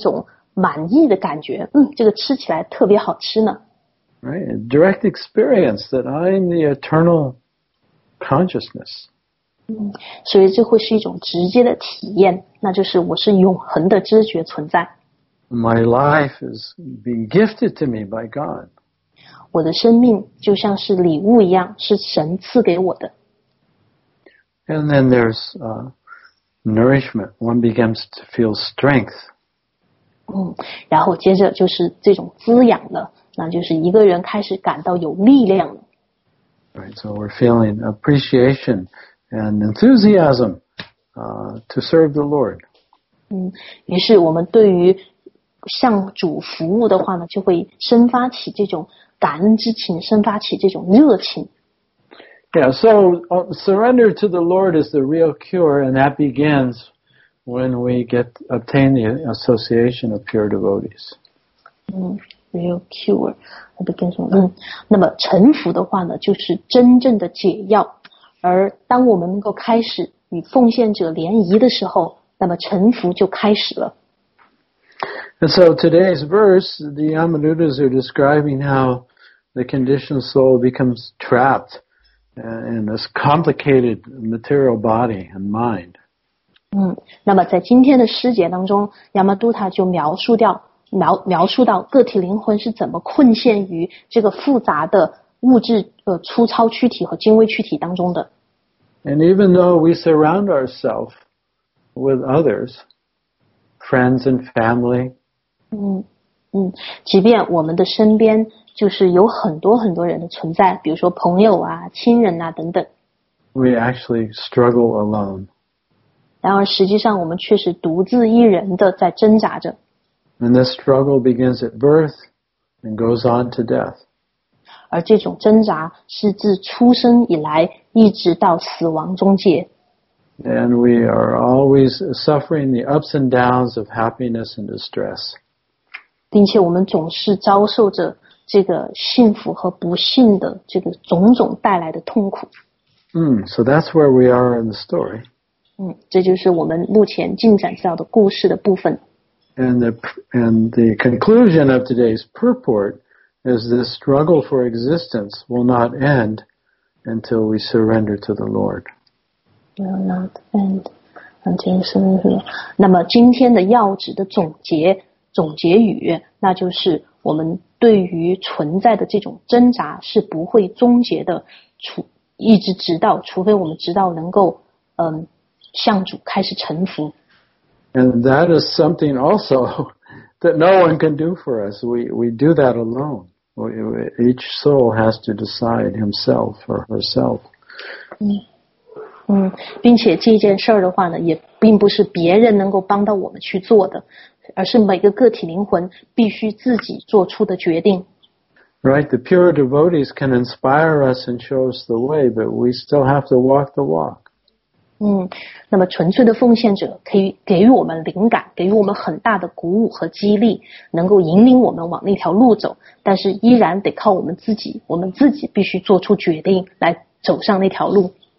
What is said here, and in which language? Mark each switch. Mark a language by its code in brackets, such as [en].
[zh] 并且你会体验到一种满意的感觉, 这个吃起来特别好吃呢。 [en] Right, a direct experience that I'm the eternal consciousness. [zh] 所以这会是一种直接的体验，那就是我是永恒的知觉存在。 [en] my life is being gifted to me by God. [zh] 我的生命就像是礼物一样，是神赐给我的。 [en] And then there's nourishment. One begins to feel strength. [zh] 然后接着就是这种滋养了，那就是一个人开始感到有力量了。 [en] Right, so we're feeling appreciation and enthusiasm, to serve the Lord. [zh] 于是我们对于向主服务的话呢，就会生发起这种感恩之情，生发起这种热情。 [en] Yeah, so surrender to the Lord is the real cure, and that begins when we obtain the association of pure devotees. Real cure. [zh] 我不跟你说，那么臣服的话呢，就是真正的解药。而当我们能够开始与奉献者联谊的时候，那么臣服就开始了。 [en] And so today's verse, the Yamanuttas are describing how the conditioned soul becomes trapped in this complicated material body and mind. [zh] 那么在今天的诗节当中，亚玛都塔就描述到个体灵魂是怎么困陷于这个复杂的物质粗糙躯体和精微躯体当中的。 [en] And even though we surround ourselves with others, friends and family, [zh] 即便我们的身边就是有很多很多人的存在，比如说朋友啊、亲人啊等等。 [en] We actually struggle alone. [zh] 然而实际上我们却是独自一人的在挣扎着。 [en] And this struggle begins at birth and goes on to death. [zh] 而这种挣扎是自出生以来一直到死亡终结。 [en] And we are always suffering the ups and downs of happiness and distress. [zh] 并且我们总是遭受着这个幸福和不幸的这个种种带来的痛苦。 [en] So that's where we are in the story. [zh] 这就是我们目前进展到的故事的部分。 [en] And the conclusion of today's purport is this struggle for existence will not end until we surrender to the Lord. Will not end until we surrender. [zh] 那么今天的要旨的总结语，那就是我们对于存在的这种挣扎是不会终结的，除非我们直到能够向主开始臣服。 [en] And that is something also that no one can do for us. We do that alone. Each soul has to decide himself or herself. [zh] 并且这件事的话呢，也并不是别人能够帮到我们去做的，而是每个个体灵魂必须自己做出的决定。 [en] Right, the pure devotees can inspire us and show us the way, but we still have to walk the walk. [zh] 那么纯粹的奉献者可以给予我们灵感，给予我们很大的鼓舞和激励，能够引领我们往那条路走，但是依然得靠我们自己，我们自己必须做出决定来走上那条路。